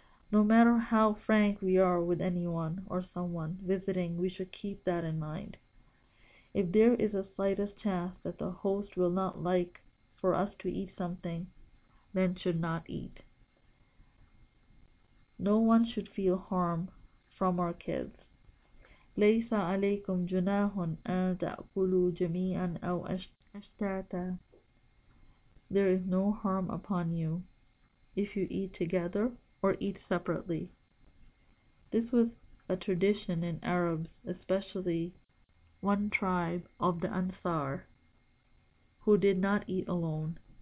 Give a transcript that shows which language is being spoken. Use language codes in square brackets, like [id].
[en] No matter how frank we are with anyone or someone visiting, we should keep that in mind. If there is a slightest chance that the host will not like for us to eat something, then should not eat. No one should feel harm from our kids. [ar] ليس عليكم جناح أن تأكلوا جميعا أو أشتاتا. [en] There is no harm upon you if you eat together or eat separately. This was a tradition in Arabs, especially one tribe of the Ansar, who did not eat alone.